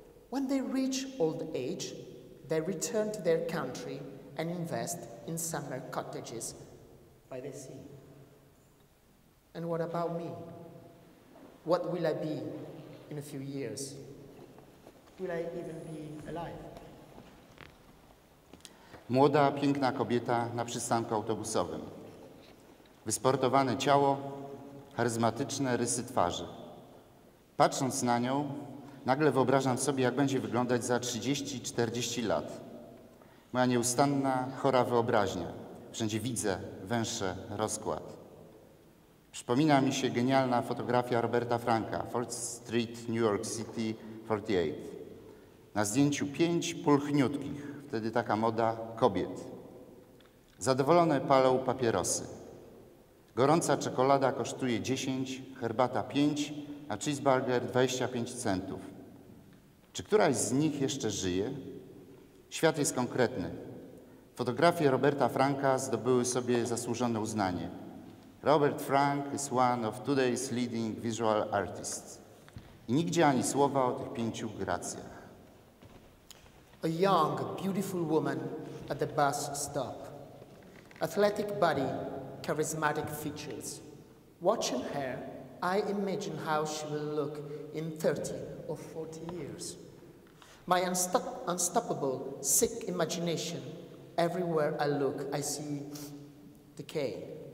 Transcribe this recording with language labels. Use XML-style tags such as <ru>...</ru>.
<en>When they reach old age, they return to their country and invest in summer cottages by the sea. And what about me? What will I be in a few years? Will I even be alive?</en> <pl>Młoda, piękna kobieta na przystanku autobusowym. Wysportowane ciało, charyzmatyczne rysy twarzy. Patrząc na nią, nagle wyobrażam sobie, jak będzie wyglądać za 30-40 lat. Moja nieustanna, chora wyobraźnia. Wszędzie widzę węższy rozkład. Przypomina mi się genialna fotografia Roberta Franka, Fourth Street, New York City, 48. Na zdjęciu 5 pulchniutkich. Wtedy taka moda kobiet. Zadowolone palą papierosy. Gorąca czekolada kosztuje 10, herbata 5, a cheeseburger 25 centów. Czy któraś z nich jeszcze żyje? Świat jest konkretny. Fotografie Roberta Franka zdobyły sobie zasłużone uznanie.</pl> <en>Robert Frank is one of today's leading visual artists.</en> <pl>I nigdzie ani słowa o tych 5 gracjach.</pl> <en>A young, beautiful woman at the bus stop. Athletic body, charismatic features. Watching her, I imagine how she will look in 30 or 40 years. My unstoppable, sick imagination. Everywhere I look, I see decay.</en>